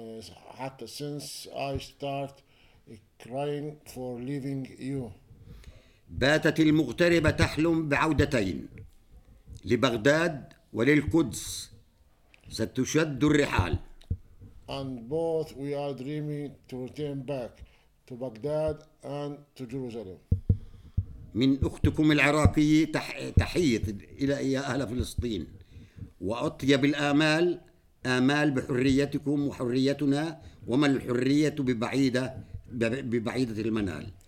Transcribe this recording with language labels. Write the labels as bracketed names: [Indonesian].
[Arabic] حتى [English] since I start crying for leaving you. [Arabic] باتت المغتربة تحلم بعودتين لبغداد وللقدس ستشد الرحال. [English] And both we are dreaming to return back to Baghdad and to Jerusalem. [Arabic] من أختكم العراقية تحية إلى يا أهل فلسطين وأطيب الآمال آمال بحريتكم وحريتنا وما الحرية ببعيدة ببعيدة المنال.